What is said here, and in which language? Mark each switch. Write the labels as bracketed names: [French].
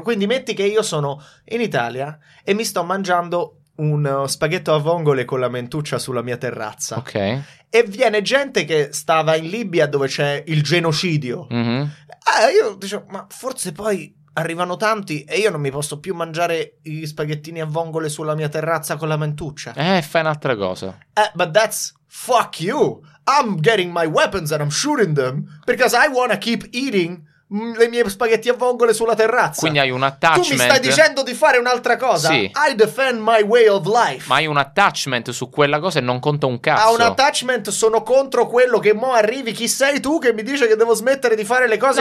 [Italian] Quindi metti che io sono in Italia e mi sto mangiando un spaghetto a vongole con la mentuccia sulla mia terrazza. Ok. E viene gente che stava in Libia dove c'è il genocidio. Mm-hmm. Io dicevo, ma forse poi arrivano tanti e io non mi posso più mangiare gli spaghettini a vongole sulla mia terrazza con la mentuccia. Fai un'altra cosa. [English] But that's fuck you. I'm getting my weapons and I'm shooting them because I wanna keep eating [Italian] le mie spaghetti a vongole sulla terrazza. Quindi hai un attachment. Tu mi stai dicendo di fare un'altra cosa. Sì. [English] I defend my way of life. [Italian] Ma hai un attachment su quella cosa e non conta un cazzo. Ha un attachment, sono contro quello che mo arrivi. Chi sei tu che mi dice che devo smettere di fare le cose